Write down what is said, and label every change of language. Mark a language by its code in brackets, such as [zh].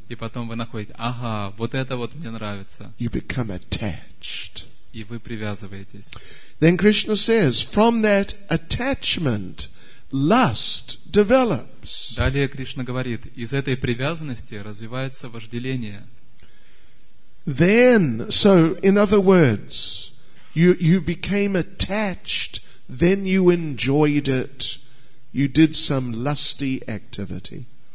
[ru] И потом вы находите, ага, вот это вот мне нравится. [en] You become attached. [ru] И вы привязываетесь. [en] Then Krishna says, from that attachment, lust develops. [ru] Далее Кришна говорит, из этой привязанности развивается вожделение. [en] Then, so in other words, You became attached, then you enjoyed it, you did some lusty activity.